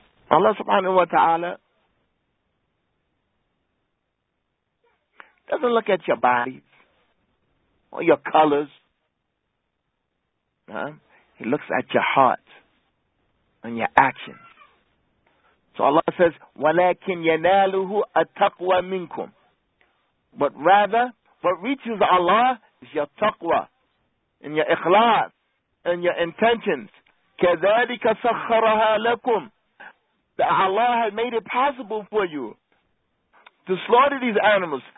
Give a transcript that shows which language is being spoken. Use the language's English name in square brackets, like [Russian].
[English] Allah subhanahu wa ta'ala doesn't look at your bodies or your colors. He looks at your heart and your actions. So Allah says, [Arabic] وَلَكِنْ يَنَالُهُ أَتَقْوَى مِنْكُمْ. [English] But rather, what reaches Allah is your taqwa and your ikhlas and your intentions. [Arabic] كَذَلِكَ سَخَّرَهَا لَكُمْ. [English] That Allah has made it possible for you to slaughter these animals.